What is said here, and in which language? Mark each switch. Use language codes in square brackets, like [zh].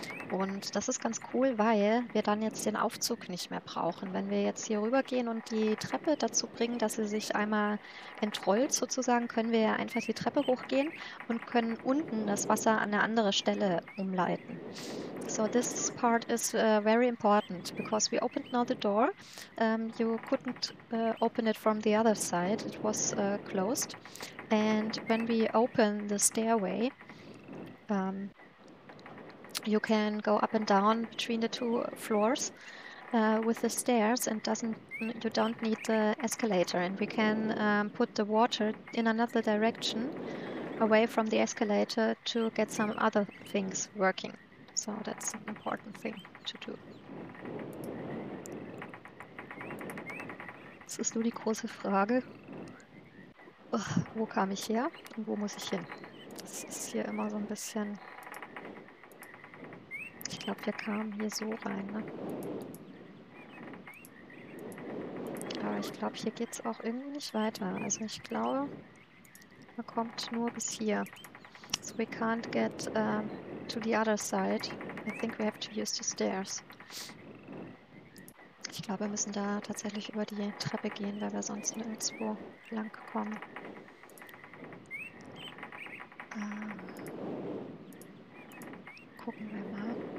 [de] Und das ist ganz cool, weil wir dann jetzt den Aufzug nicht mehr brauchen. Wenn wir jetzt hier rübergehen und die Treppe dazu bringen, dass sie sich einmal entrollt sozusagen, können wir ja einfach die Treppe hochgehen und können unten das Wasser an eine andere Stelle umleiten. [en] So, this part is very important because we opened now the door. You couldn't open it from the other side. It was closed. And when we open the stairway, you can go up and down between the two floors with the stairs, and you don't need the escalator. And we can put the water in another direction away from the escalator to get some other things working. So that's an important thing to do. [de] Jetzt ist nur die große Frage, wo kam ich her und wo muss ich hin? Das ist hier immer so ein bisschen. Ich glaube, wir kamen hier so rein, ne? Aber ich glaube, hier geht es auch irgendwie nicht weiter. Also ich glaube, man kommt nur bis hier. [en] So we can't get to the other side. I think we have to use the stairs. [de] Ich glaube, wir müssen da tatsächlich über die Treppe gehen, weil wir sonst nirgendwo lang kommen. Gucken wir mal.